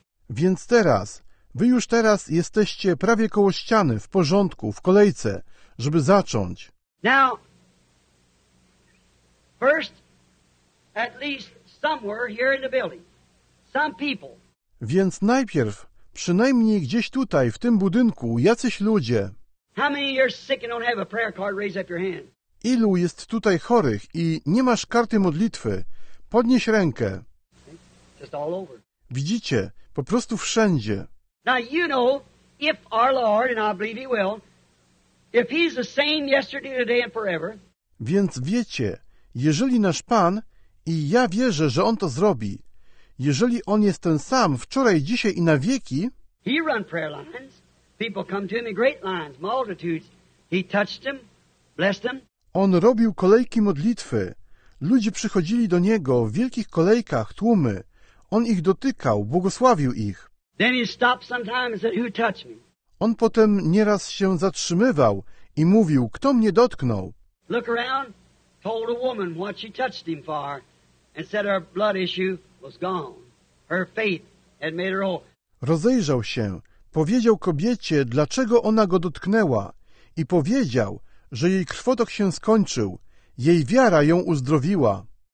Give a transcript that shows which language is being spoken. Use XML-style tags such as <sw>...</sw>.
<pl>Więc teraz, wy już teraz jesteście prawie koło ściany, w porządku, w kolejce, żeby zacząć.</pl> <en>Now, first, at least somewhere here in the building, some people.</en> <pl>Więc najpierw, przynajmniej gdzieś tutaj, w tym budynku, jacyś ludzie.</pl> <en>How many are sick and don't have a prayer card? Raise up your hand.</en> <pl>Ilu jest tutaj chorych i nie masz karty modlitwy? Podnieś rękę.</pl> <en>Just all over.</en> <pl>Widzicie, po prostu wszędzie.</pl> <en>Now you know, if our Lord, and I believe He will, if He's the same yesterday, today and forever.</en> <pl>Więc wiecie, jeżeli nasz Pan, i ja wierzę, że On to zrobi, jeżeli On jest ten sam wczoraj, dzisiaj i na wieki,</pl> <en>He run prayer lines. People come to Him in great lines, multitudes. He touched them, blessed them.</en> <pl>On robił kolejki modlitwy. Ludzie przychodzili do Niego w wielkich kolejkach, tłumy. On ich dotykał, błogosławił ich.</pl> <en>Then He stopped sometimes and said, "Who touched me?"</en> <pl>On potem nieraz się zatrzymywał i mówił, kto mnie dotknął.</pl> <en>Look around, told a woman what she touched Him for, and said her blood issue was gone. Her faith had made her whole.</en> <pl>Rozejrzał się, powiedział kobiecie, dlaczego ona go dotknęła i powiedział, że jej krwotok się skończył, jej wiara ją uzdrowiła.</pl>